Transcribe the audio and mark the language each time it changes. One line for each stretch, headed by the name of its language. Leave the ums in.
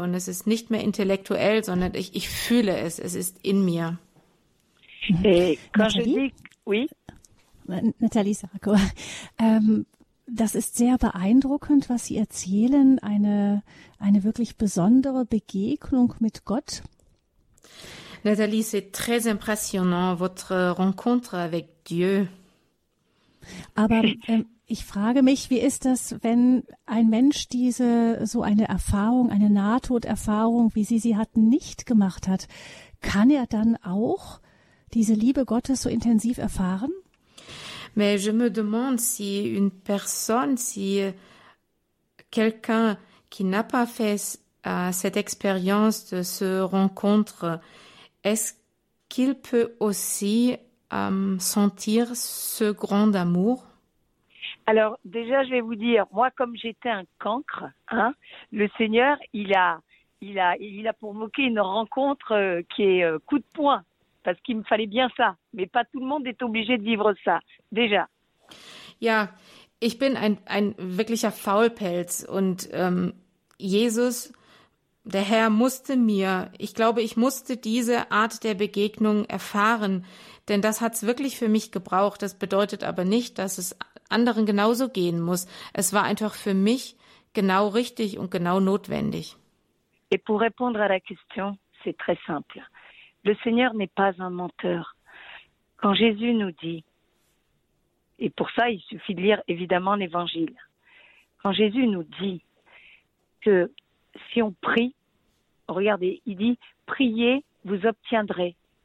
German: Und es ist nicht mehr intellektuell, sondern ich, ich fühle es, es ist in mir.
French: Et quand je dis, oui.
German: Nathalie Sarako, ähm, das ist sehr beeindruckend, was Sie erzählen, eine, eine wirklich besondere Begegnung mit Gott.
French: Nathalie, c'est très impressionnant, votre rencontre avec Dieu.
German: Aber äh, ich frage mich, wie ist das, wenn ein Mensch diese so eine Erfahrung, eine Nahtoderfahrung, wie Sie sie hatten, nicht gemacht hat? Kann er dann auch diese Liebe Gottes so intensiv erfahren?
French: Mais je me demande si une personne, si quelqu'un qui n'a pas fait uh, cette expérience de se rencontre, est-ce qu'il peut aussi um, sentir ce grand amour Alors déjà, je vais vous dire, moi comme j'étais un cancre, hein, le Seigneur, il a, il a, il a provoqué une rencontre euh, qui est euh, coup de poing, parce qu'il me fallait bien ça. Mais pas tout le monde est obligé de vivre ça, déjà.
German: Ja, ich bin ein, ein wirklicher Faulpelz und ähm, Jesus, der Herr musste mir, ich glaube, ich musste diese Art der Begegnung erfahren, denn das hat's wirklich für mich gebraucht. Das bedeutet aber nicht, dass es anderen genauso gehen muss. Es war einfach für mich genau richtig und genau notwendig.
French: Et pour répondre à la question, c'est très simple. Le Seigneur n'est pas un menteur. Quand Jésus nous dit, et pour ça il suffit de lire évidemment l'Évangile, quand Jésus nous dit que si on prie, regardez, il dit, priez, vous obtiendrez.